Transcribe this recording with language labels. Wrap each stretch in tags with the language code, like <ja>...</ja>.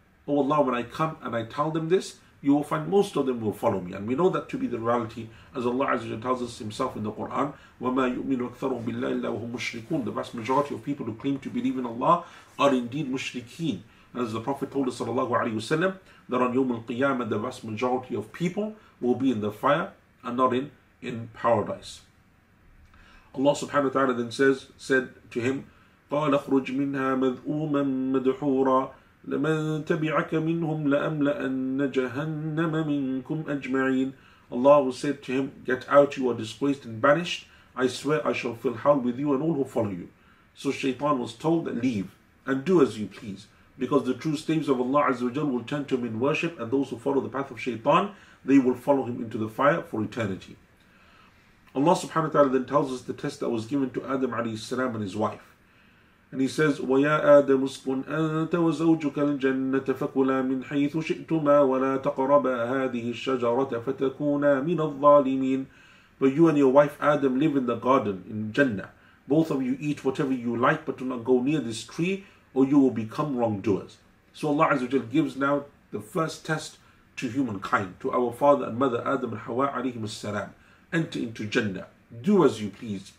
<en>Oh Allah, when I come and I tell them this, you will find most of them will follow me. And we know that to be the reality, as Allah Azza wa Jalla tells us himself in the Quran,</en> <ar>وَمَا يُؤْمِنُ أَكْثَرُهُمْ بِاللَّهِ إِلَّا وَهُمْ مُشْرِكُونَ.</ar> <en>The vast majority of people who claim to believe in Allah are indeed mushrikeen. as the Prophet told us, sallallahu alayhi wasallam, that on Yawm al-Qiyamah, the vast majority of people will be in the fire and not in paradise. Allah subhanahu wa ta'ala then said to him,</en> <ar>قَالَ اخْرُجْ مِنْهَا مَذْؤُومًا مَدْحُورًا لَمَنْ تَبِعَكَ مِنْهُمْ لَأَمْلَأَنَّ جَهَنَّمَ مِنْكُمْ أَجْمَعِينَ.</ar> <en>Allah said to him, get out, you are disgraced and banished. I swear I shall fill hell with you and all who follow you. So Shaitan was told that leave and do as you please, because the true slaves of Allah Azza wa Jal will turn to him in worship, and those who follow the path of Shaitan, they will follow him into the fire for eternity. Allah subhanahu wa ta'ala then tells us the test that was given to Adam alayhi salam and his wife. And he says,</en> <ar>وَيَا آدَمُ اسْكُنْ أَنْتَ وَزَوْجُكَ الْجَنَّةَ فَكُلَا مِنْ حَيْثُ شِئْتُمَا وَلَا تَقْرَبَا هَذِهِ الشَّجَرَةَ فَتَكُونَا مِنَ الظَّالِمِينَ.</ar> <en>But you and your wife Adam live in the garden in Jannah. Both of you eat whatever you like, but do not go near this tree, or you will become wrongdoers. So Allah Azza wa Jal gives now the first test to humankind, to our father and mother Adam and Hawa alayhim as-salam. Enter into Jannah. Do as you please.</en>